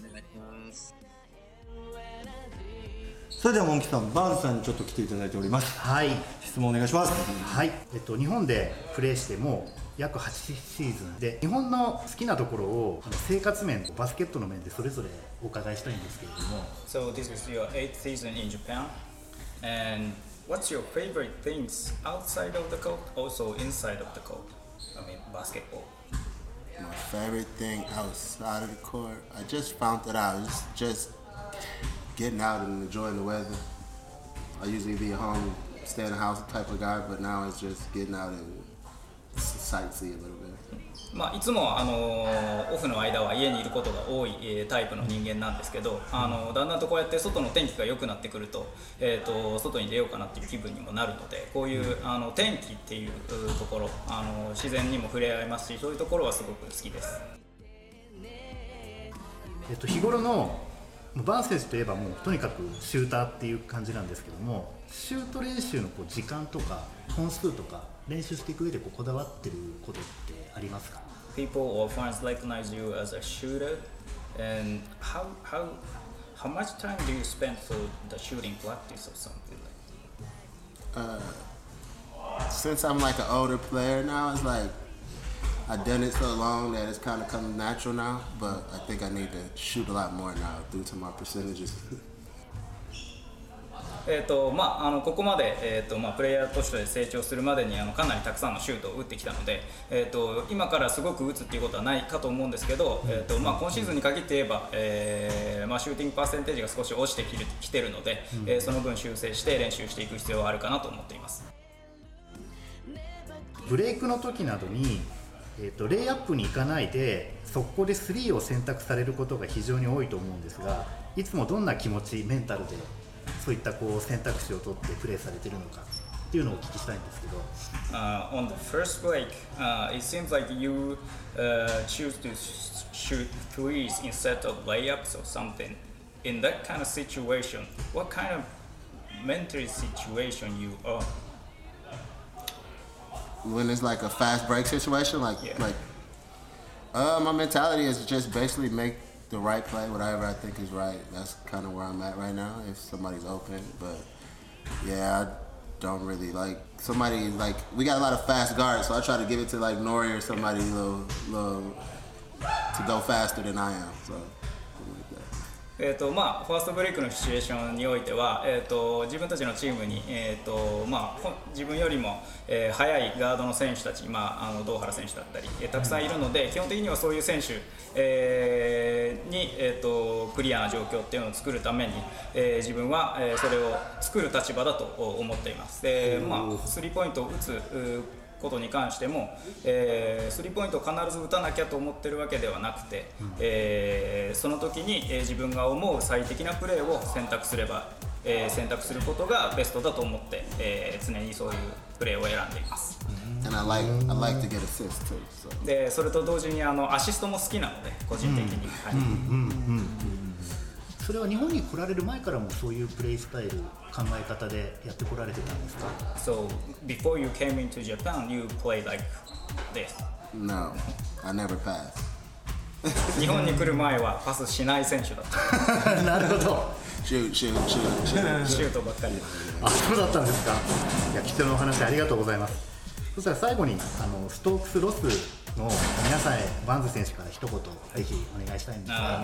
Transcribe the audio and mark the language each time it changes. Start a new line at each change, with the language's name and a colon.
Japanese: お願いします。それではモンキさん、バーズさんにちょっと来ていただいております。はい、質問お願いします。はい、日本でプレーしても約8シーズンで、日本の好きなところを生活面とバスケットの面でそれぞれお伺いしたいんですけれども。
English: So this is your 8th season in Japan, and what's your favorite things outside of the court, also inside of the court? I mean basketball My favorite thing outside of the court, I just found that out. It's just getting out and enjoying the weather. I usually be home, stay in the house type of guy, but now it's just getting out and sightsee a little bit.
Japanese: まあ、いつもオフの間は家にいることが多いタイプの人間なんですけど、だんだんとこうやって外の天気が良くなってくると、外に出ようかなっていう気分にもなるので、こういう天気っていうところ、自然にも触れ合いますし、そういうところはすごく好きです。日頃のバーズ選手といえばもうとにかくシューターっていう感じなんですけども、シュート練習のこう時間とか本数とか練習していく上で こだわってることってありますか？
English: People or fans recognize you as a shooter, and how much time do you spend for the shooting practice or something like Since I'm like an older player now, it's like I've done it so long that it's kind of come natural now, but I think I need to shoot a lot more now due to my percentages.
Japanese: まあ、ここまで、まあ、プレイヤーとして成長するまでにかなりたくさんのシュートを打ってきたので、今からすごく打つっていうことはないかと思うんですけど、まあ、今シーズンに限って言えば、まあ、シューティングパーセンテージが少し落ちてきてるので、その分修正して練習していく必要はあるかなと思っています。ブレイクの時などに、レイアップに行かないで速攻で3を選択されることが非常に多いと思うんですが、いつもどんな気持ち、メンタルでそういったこう選択肢を取ってプレーされているのかっていうのをお聞きしたいんですけど。
English: On the first break, it seems like you choose to shoot threes instead of layups or something. In that kind of situation, what kind of mental situation you are? When it's like a fast break situation, my mentality is just basically make. The right play, whatever I think is right. That's kind of where I'm at right now, if somebody's open. But yeah, I don't really like somebody, like, we got a lot of fast guards, so I try to give it to like Nori or somebody little to go faster than I am. So.
Japanese: まあ、ファーストブレイクのシチュエーションにおいては、自分たちのチームに、まあ、自分よりも、速いガードの選手たち、まあ、堂原選手だったり、たくさんいるので、基本的にはそういう選手、に、クリアな状況っていうのを作るために、自分は、それを作る立場だと思っています。で、まあ、スリーポイントを打つことに関しても、スリーポイントを必ず打たなきゃと思ってるわけではなくて、その時に、自分が思う最適なプレーを選択すれば、選択することがベストだと思って、常にそういうプレーを選んでいます。
English: And I like to get assist too, so.
Japanese: で、それと同時にアシストも好きなので、個人的に。それは日本に来られる前からもそういうプレイスタイル、考え方でやってこられてたんですか？
English: So, before you came into Japan, you played like this? No, I never pass.
Japanese: 日本に来る前はパスしない選手だった。なるほど。シュートばっかり。あ、そうだったんですか。いや、貴重なお話ありがとうございます。そしたら最後に、ストークスロスの皆さんへ、バーンズ選手から一言ぜひお願いしたいんですが、